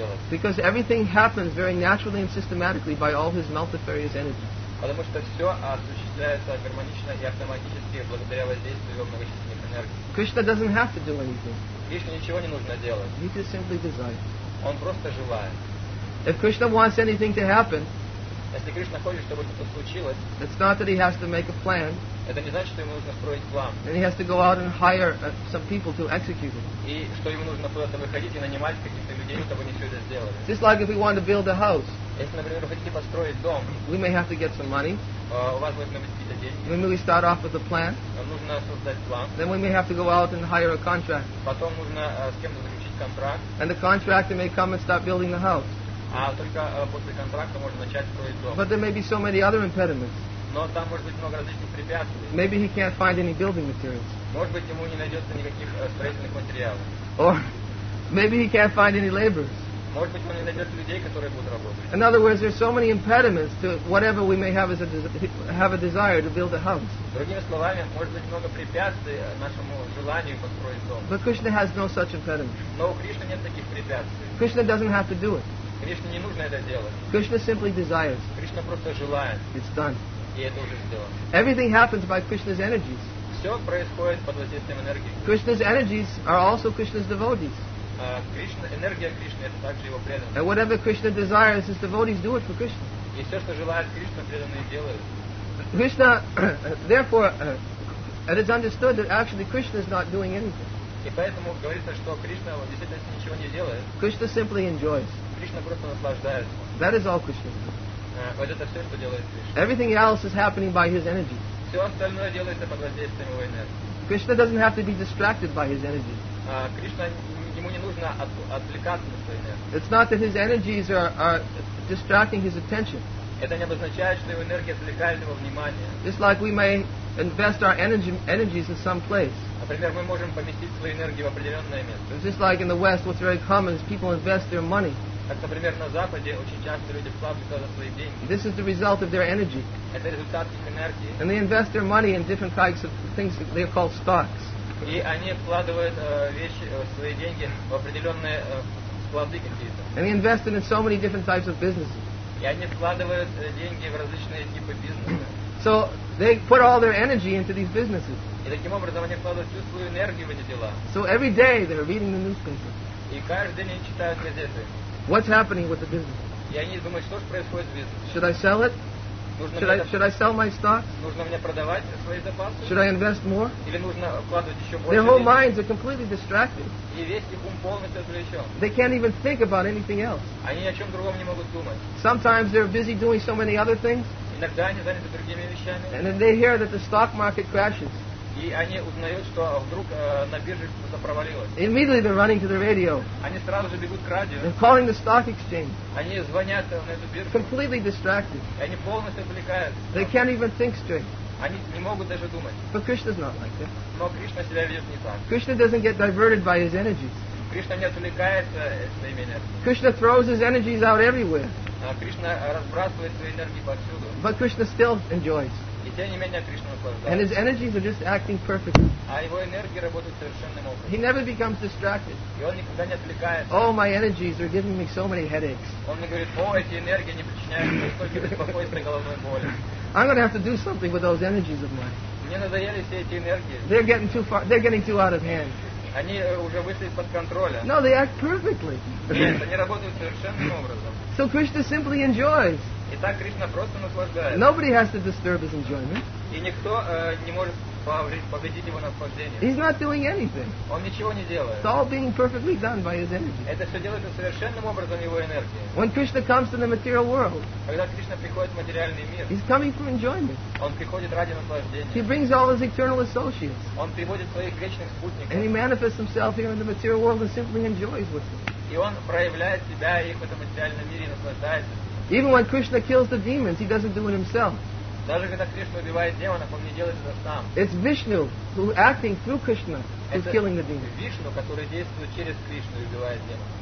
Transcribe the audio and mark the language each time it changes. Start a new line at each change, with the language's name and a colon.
English: Because everything happens very naturally and systematically by all his multifarious energies.
Russian: Потому что все осуществляется гармонично и автоматически благодаря воздействию его многочисленных энергий.
English: Krishna doesn't have to do anything.
Russian: Кришне ничего не нужно делать.
English: He just simply desires.
Russian: Он просто желает.
English: If Krishna wants anything to happen,
Russian: если Кришна хочет, чтобы что-то случилось,
English: it's not that he has to make a plan.
Russian: Это не значит, что ему нужно строить план.
English: And he has to go out and hire some people to execute it.
Russian: И что ему нужно куда-то выходить и нанимать каких-то людей, чтобы они все это сделали.
English: Just like if we want to build a house.
Russian: Если, например, вы хотите построить дом,
English: we may have to get some money.
Russian: У вас должны быть какие-то деньги.
English: We may start off with a plan.
Russian: Нужно создать план.
English: Then we may have to go out and hire a contract.
Russian: Потом нужно с кем-то заключить контракт.
English: And the contractor may come and start building the house.
Russian: А только после контракта можно начать строить дом.
English: But there may be so many other impediments.
Russian: Но там может быть много различных препятствий.
English: Maybe he can't find any building materials.
Russian: Может быть, ему не найдется никаких строительных материалов.
English: Or maybe he can't find any laborers.
Russian: Может быть, он не найдет людей, которые будут работать.
English: In other words, there's so many impediments to whatever we may have have a desire to build a house.
Russian: Другими словами, может быть много препятствий нашему желанию построить дом.
English: But Krishna has no such impediments.
Russian: Но у Кришны нет таких препятствий.
English: Krishna doesn't have to do it.
Russian: Кришне не нужно это делать.
English: Krishna simply desires.
Russian: Кришна просто желает.
English: It's done.
Russian: И это уже сделано.
English: Everything happens by Krishna's energies.
Russian: Все происходит под воздействием энергии.
English: Krishna's energies are also Krishna's devotees.
Russian: Krishna, энергия Кришны — это также его преданные.
English: And whatever Krishna desires, his devotees do it for Krishna.
Russian: И все, что желает Кришна, преданные делают.
English: Krishna, therefore, it is understood that actually Krishna is not doing anything.
Russian: И поэтому говорится, что Кришна в действительности ничего не делает.
English: Krishna simply enjoys.
Russian: Кришна просто наслаждается.
English: That is all Krishna.
Russian: Вот это все, что делает Кришна.
English: Everything else is happening by his energy.
Russian: Все остальное делается под воздействием его энергии.
English: Krishna doesn't have to be distracted by his energy.
Russian: Кришна ему не нужно отвлекаться на свои энергии.
English: It's not that his energies are distracting his attention.
Russian: Это не обозначает, что его энергия отвлекает его внимание.
English: Just like we may invest our energies in some place.
Russian: Например, мы можем поместить свои энергии в определенное место.
English: It's just like in the West, what's very common is people invest their money.
Russian: Так, например, на Западе очень часто люди вкладывают туда свои деньги.
English: This is the result of their energy.
Russian: Это результат их энергии.
English: And they invest their money in different types of things that they call stocks.
Russian: И они вкладывают свои деньги в определенные склады какие-то.
English: And they invest in so many different types of businesses.
Russian: И они вкладывают деньги в различные типы бизнеса.
English: So they put all their energy into these businesses.
Russian: И таким образом они вкладывают всю свою энергию в эти дела.
English: So every day they're reading the newspaper.
Russian: И каждый день они читают газеты.
English: What's happening with the business?
Russian: И они думают, что же происходит в бизнесе?
English: Should I sell it? Should I sell my stocks?
Russian: Нужно мне продавать свои запасы?
English: Should I invest more?
Russian: Или нужно вкладывать еще больше?
English: Their whole minds are completely distracted.
Russian: И весь их ум полностью отвлечен.
English: They can't even think about anything else.
Russian: Они о чем другом не могут думать.
English: Sometimes they're busy doing so many other things.
Russian: Иногда они заняты другими вещами.
English: And then they hear that the stock market crashes.
Russian: И они узнают, что вдруг на бирже что-то провалилось.
English: Immediately they're running to the radio.
Russian: Они сразу же бегут к радио.
English: They're calling the stock exchange.
Russian: Они звонят на эту биржу.
English: Completely distracted.
Russian: И они полностью отвлекаются.
English: They can't even think straight.
Russian: Они не могут даже думать.
English: But Krishna's not like that.
Russian: Но Кришна себя ведет не так.
English: Krishna doesn't get diverted by his energies.
Russian: Кришна не отвлекается своими энергиями.
English: Krishna throws his energies out everywhere.
Russian: Кришна разбрасывает свои энергии повсюду.
English: But Krishna still enjoys.
Russian: И тем не менее Кришна наслаждается.
English: And his energies are just acting perfectly.
Russian: А его энергии работают совершенным образом.
English: He never becomes distracted.
Russian: И он никогда не отвлекается.
English: Oh, my energies are giving me so many headaches.
Russian: Он мне говорит: о, эти энергии не причиняют мне столько беспокойства и головной боли.
English: I'm going to have to do something with those energies of mine.
Russian: Мне надоели все эти энергии.
English: They're getting too far. They're getting too out of hand.
Russian: Они уже вышли из-под контроля.
English: No, they act perfectly.
Russian: Нет, они работают совершенным образом.
English: So Krishna simply enjoys.
Russian: Итак, Кришна просто наслаждается.
English: Nobody has to disturb his enjoyment.
Russian: И никто не может повредить его наслаждение.
English: He's not doing anything.
Russian: Он ничего не делает.
English: It's all being perfectly done by his energy.
Russian: Это все делается совершенным образом его энергии.
English: When Krishna comes to the material world,
Russian: когда Кришна приходит в материальный мир,
English: he's coming for enjoyment.
Russian: Он приходит ради наслаждения.
English: He brings all his eternal associates.
Russian: Он приводит своих вечных спутников.
English: And he manifests himself here in the material world and simply enjoys with them.
Russian: И он проявляет себя и их в этом материальном мире и наслаждается.
English: Even when Krishna kills the demons, he doesn't do it himself.
Russian: Даже когда Кришна убивает демонов, он не делает это сам.
English: It's Vishnu who acting through Krishna is killing the demons.
Russian: Вишну, который действует через Кришну, убивает демонов.